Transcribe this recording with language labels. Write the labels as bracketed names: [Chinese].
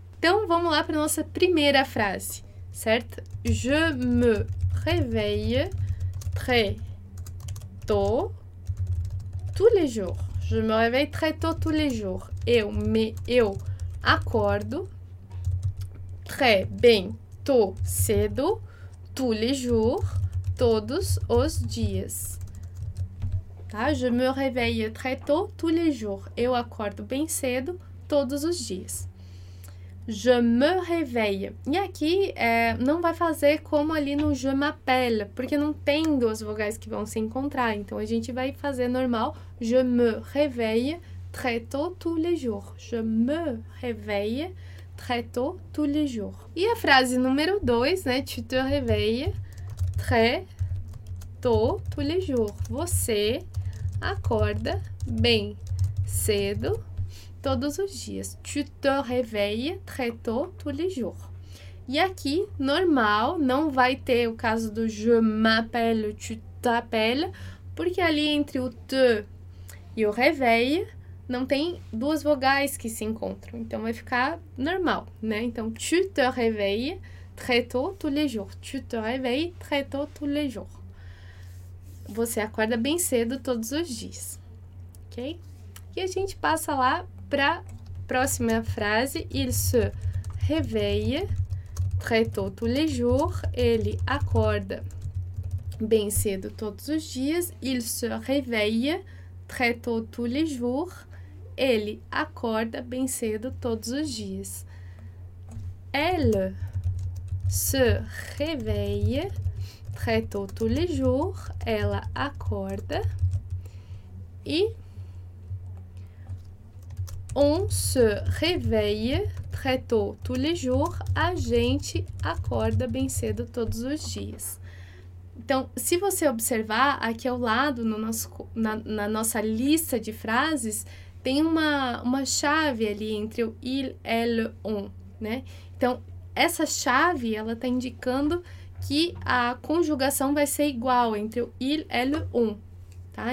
[Portuguese] Então vamos lá para nossa primeira frase, certo? [French] Je me réveille très tôt tous les jours. Je me réveille très tôt tous les jours. [Portuguese] Eu acordo. Très, bem, tô cedo, [French] tous les jours, [Portuguese] todos os dias. Tá? [French] Je me réveille très tôt, tous les jours. [Portuguese] Eu acordo bem cedo, todos os dias. [French] Je me réveille. [Portuguese] E aqui, não vai fazer como ali no je m'appelle, porque não tem duas vogais que vão se encontrar. Então, a gente vai fazer normal. [French] Je me réveille très tôt tous les jours. Je me réveille très tôt tous les jours. [Portuguese] E a frase número 2, né? [French] Tu te réveilles très tôt tous les jours. [Portuguese] Você acorda bem cedo todos os dias. [French] Tu te réveilles très tôt tous les jours. [Portuguese] E aqui, normal, não vai ter o caso do [French] je m'appelle, tu t'appelles, [Portuguese] porque ali entre o te e o réveille, não tem duas vogais que se encontram. Então, vai ficar normal, né? [French] Então, tu te réveilles très tôt tous les jours. Tu te réveilles très tôt tous les jours. [Portuguese] Você acorda bem cedo todos os dias, ok? E a gente passa lá para a próxima frase. [French] Il se réveille très tôt tous les jours. [Portuguese] Ele acorda bem cedo todos os dias. [French] Il se réveille très tôt tous les jours. [Portuguese] Ele acorda bem cedo todos os dias. [French] Elle se réveille très tôt tous les jours. [Portuguese] Ela acorda. E [French] on se réveille très tôt tous les jours. [Portuguese] A gente acorda bem cedo todos os dias. Então, se você observar, aqui ao lado, no nosso, na nossa lista de frases, tem uma chave ali entre o il, elle, on, né? Então, essa chave, ela está indicando que a conjugação vai ser igual entre o il, elle, on, tá?